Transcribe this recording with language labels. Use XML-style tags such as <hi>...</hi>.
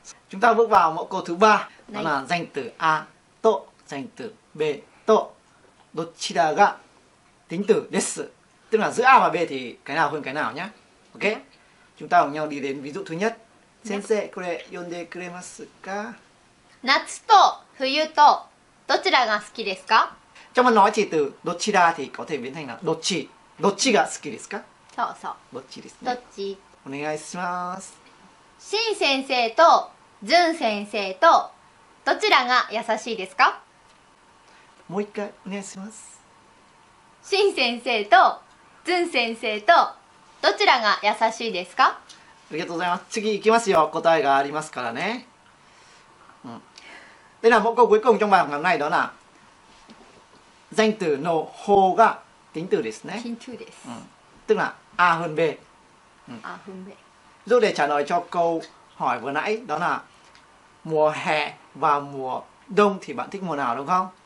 <vi>Chúng ta bước vào mẫu câu thứ 3. Đó là danh từ A to danh từ B to Dochira ga tính từ desu. Tức là giữa A và B thì cái nào hơn cái nào nhá. OK. Chúng ta cùng nhau đi đến ví dụ thứ nhất.</vi> <ja>Sensei, kore yonde kuremasu ka? Natsu to fuyu toどちらが好きですか?</ja> <vi>Trong nói chỉ từ どちら thì có thể biến thành là どっち。</vi> <ja>どっちが好きですか? そうそう。どっちですね。どっち。お願いします。新先生と純先生とどちらが優しいですか? もう一回お願いします。新先生と純先生とどちらが優しいですか? ありがとうございます。次行きますよ。答えがありますからね。</ja> <vi>Đây là mẫu câu cuối cùng trong bài học ngày hôm nay, đó là danh từ no hô ga tính từ desu ne. Tính từ desu. Tức là A hơn B. A hơn B. Giúp để trả lời cho câu hỏi vừa nãy, đó là mùa hè và mùa đông thì bạn thích mùa nào đúng không?</vi>